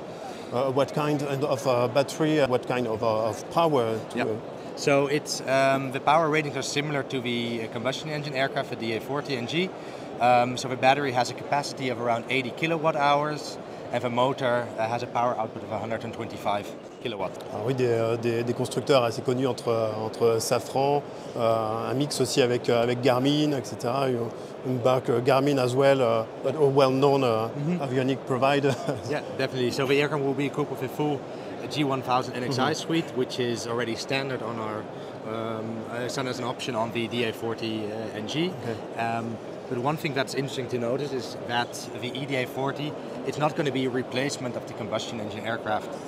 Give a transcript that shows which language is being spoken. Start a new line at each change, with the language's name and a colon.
English: What kind of battery, what kind of power? So it's the power ratings are similar to the combustion engine aircraft, the DA-40NG. So the battery has a capacity of around 80 kilowatt hours, and the motor has a power output of 125 kilowatts.
French: Ah oui, des constructeurs assez connus entre Safran, un mix aussi avec Garmin, etc.
English: Garmin as well, but a well-known mm-hmm. avionic provider. Yeah, definitely. So the aircraft will be equipped with a full G1000 NXI mm-hmm. suite, which is already standard on our standard as an option on the DA-40NG. Okay. But one thing that's interesting to notice is that the EDA-40, it's not going to be a replacement of the combustion engine aircraft.